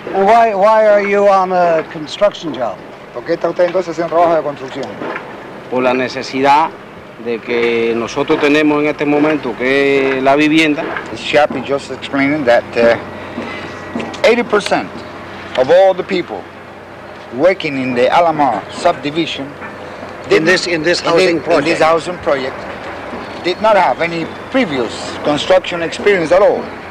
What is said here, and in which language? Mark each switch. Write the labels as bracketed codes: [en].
[en] And why are you on a construction job? [es] ¿Por qué está usted entonces haciendo trabajo de construcción? Por la necesidad de que nosotros tenemos en este momento, que es la vivienda. [en] This chap is just explaining that 80% of all the people working in the Alamar subdivision in this housing project did not have any previous construction experience at all.